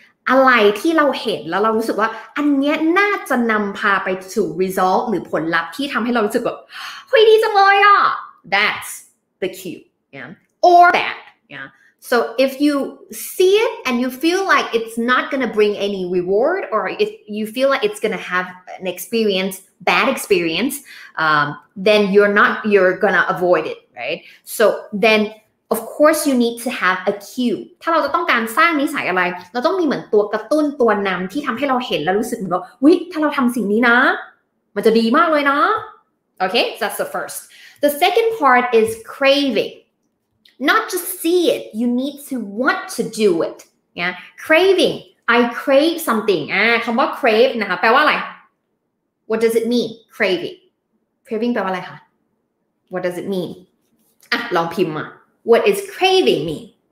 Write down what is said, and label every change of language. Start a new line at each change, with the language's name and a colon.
Thai: อะไรที่เราเห็นแล้วเรารู้สึกว่าอันนี้น่าจะนำพาไปสู่ result หรือผลลัพธ์ที่ทำให้เรารู้สึกแบบเฮ้ยดีจังเลยอ่ะ
English: That's the cue, yeah. Or that, yeah. So if you see it and you feel like it's not gonna bring any reward, or if you feel like it's gonna have an experience, bad experience, then you're gonna avoid it, right? So then, of course, you need to have a cue.
Thai: ถ้าเราจะต้องการสร้างนิสัยอะไรเราต้องมีเหมือนตัวกระตุ้นตัวนำที่ทำให้เราเห็นแล้วรู้สึกว่าวิถ้าเราทำสิ่งนี้นะมันจะดีมากเลยนะ
English: Okay, that's the first. The second part is craving. Not just see it, you need to want to do it. Yeah, craving. I crave something.
Thai: คำว่า crave นะคะแปลว่าอะไร
English: What does it mean? Craving. Craving
Thai: แปลว่าอะไรคะ
English: What does it mean?
Thai: ลองพิมพ์มา
English: What is craving mean?